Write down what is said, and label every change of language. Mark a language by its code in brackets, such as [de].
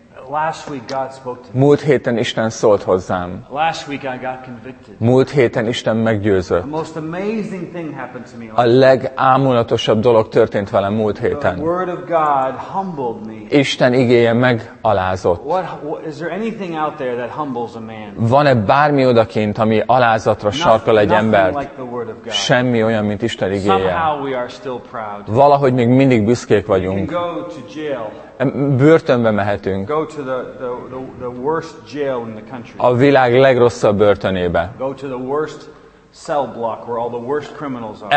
[en] Last week God spoke to me. [hu] Múlt héten Isten szólt hozzám. [en] Last week I got convicted. [hu] Múlt héten Isten meggyőzött. [en] The most amazing thing happened to me. [hu] A legámulatosabb dolog történt velem múlt héten. [en] The word of God humbled me. [hu] Isten igéje megalázott. [en] What is there anything out there that humbles a man? [hu] Van-e bármi odakint, ami alázatra sarkal egy embert? [en] Nothing like the word of God. [hu] Semmi olyan, mint Isten igéje. [en] Somehow we are still proud. [hu] Valahogy még mindig büszkék vagyunk. [en] You can go to jail. [hu] Börtönbe mehetünk. [en] Go to the worst jail in the country. [hu] A világ legrosszabb börtönébe. [en] Go to the worst cell block where all the worst criminals are.